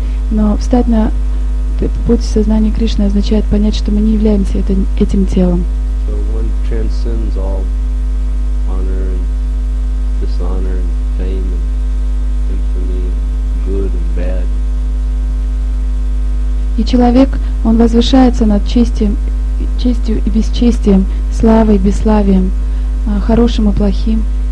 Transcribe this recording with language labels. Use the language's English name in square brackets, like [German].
[Russian] Но встать на путь сознания Кришны означает понять, что мы не являемся этим телом. [English] So one transcends all honor and dishonor and fame and infamy, good and bad. [Russian] И человек, он возвышается над честью и бесчестием, славой и бесславием, хорошим и плохим.